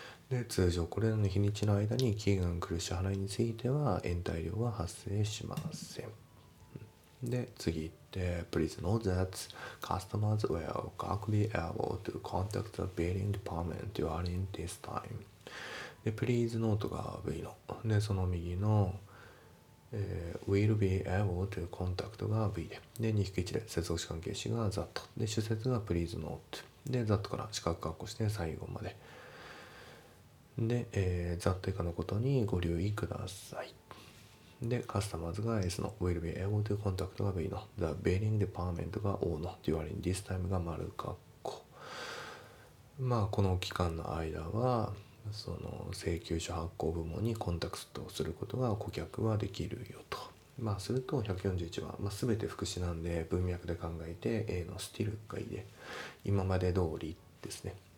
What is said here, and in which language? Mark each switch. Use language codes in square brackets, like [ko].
[ja] で、通常これらの日にちの間に期限が来る支払いについては、延滞料は発生しません。で、次。で、 [en] Please note that customers will not be able to contact the billing department during this time. [ja] で、 [en] Please note [ja] が V の。 で、その右の、 [en] will be able to contact [ja] が V で。で、2引き1で接続詞関係詞が that。で、主節が [en] Please note。 [ja] で、that から四角括弧して最後まで。で、that 以下のことにご留意ください。で、カスタマーズが S の [en] Will be able to contact [ja] が V の [en] The billing department [ja] が O の [en] During this time [ja] が丸括弧、まあ、この期間の間はその請求書発行部門にコンタクトすることが顧客はできるよと、まあ、すると141番、まあ、全て副詞なんで文脈で考えて A の Still がいいで、今まで通りですね。